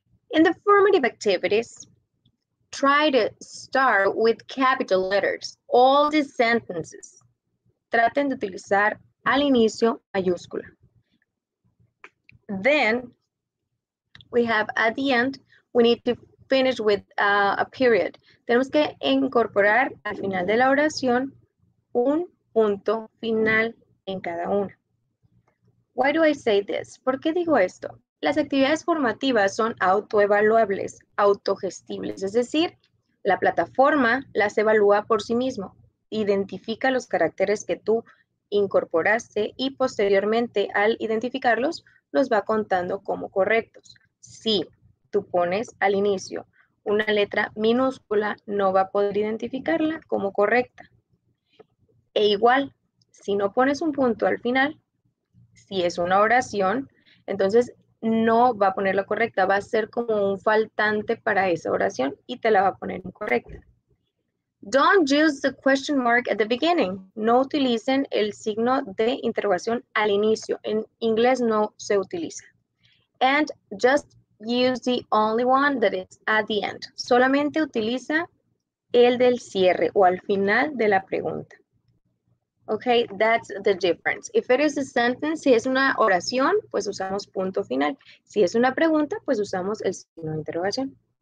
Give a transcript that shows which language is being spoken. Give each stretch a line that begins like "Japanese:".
English: In the formative activities, try to start with capital letters, all the sentences.
Spanish: Traten de utilizar al inicio mayúscula.
English: Then we have at the end, we need to finish with a period.
Spanish: Tenemos que incorporar al final de la oración un punto final en cada una.
English: Why do I say this?
Spanish: ¿Por qué digo esto? Las actividades formativas son autoevaluables, autogestibles, es decir, la plataforma las evalúa por sí mismo, identifica los caracteres que tú incorporaste y posteriormente al identificarlos, los va contando como correctos. Si tú pones al inicio una letra minúscula, no va a poder identificarla como correcta. E igual, si no pones un punto al final, si es una oración, entonces no va a ponerla correcta, va a ser como un faltante para esa oración y te la va a poner incorrecta.
English: Don't use the question mark at the beginning.
Spanish: No utilicen el signo de interrogación al inicio. En inglés no se utiliza.
English: And just use the only one that is at the end.
Spanish: Solamente utiliza el del cierre o al final de la pregunta.
English: Okay, that's the difference. If it is a sentence,
Spanish: si es una oración, pues usamos punto final. Si es una pregunta, pues usamos el signo de interrogación.